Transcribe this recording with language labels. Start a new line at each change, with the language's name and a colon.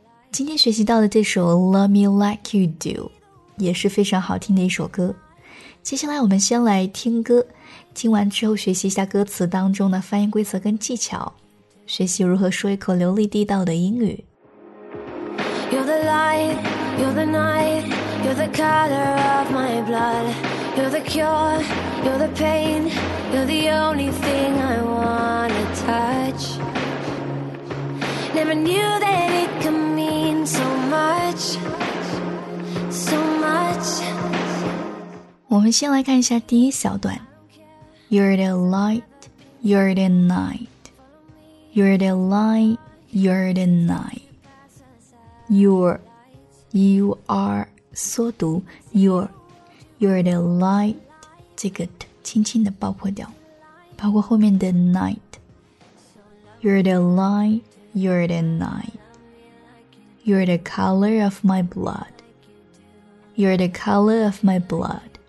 Chinese: 今天学习到的这首 Love Me Like You Do 也是非常好听的一首歌。接下来我们先来听歌，听完之后学习一下歌词当中的发音规则跟技巧，学习如何说一口流利地道的英语。
English: You're the light, you're the night, you're the color of my blood, you're the cure, you're the pain, you're the only thing I wanna touch. Never knew that it could mean so much, so much.
Chinese: 我们先来看一下第一小段。
English: You're the light, you're the night. You're the light, you're the night. You are,
Chinese: 缩读
English: you're the light,
Chinese: 这个轻轻的爆破掉，包括后面的 night.
English: You're the light, you're the night. You're the color of my blood. You're the color of my blood.